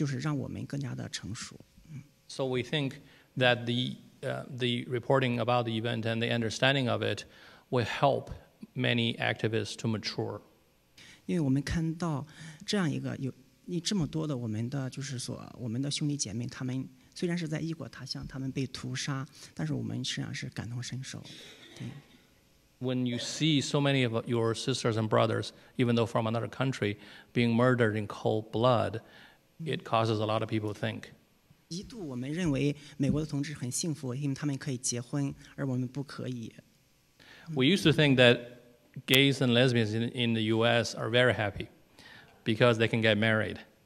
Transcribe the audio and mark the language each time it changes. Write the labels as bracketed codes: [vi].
[zh] 所以奥兰多事件对我们不仅仅是对我们组织来说，而对整个中国同志的组织来说呢，它可能会就是让我们更加的成熟。 [en] So we think that the reporting about the event and the understanding of it will help many activists to mature. [zh] 因为我们看到这样一个有你这么多的我们的就是说我们的兄弟姐妹，他们虽然是在异国他乡，他们被屠杀，但是我们实际上是感同身受。 [en] When you see so many of your sisters and brothers, even though from another country, being murdered in cold blood, it causes a lot of people to think. [zh] 一度我们认为美国的同志很幸福，因为他们可以结婚，而我们不可以。 [en] We used to think that gays and lesbians in the U.S. are very happy because they can get married.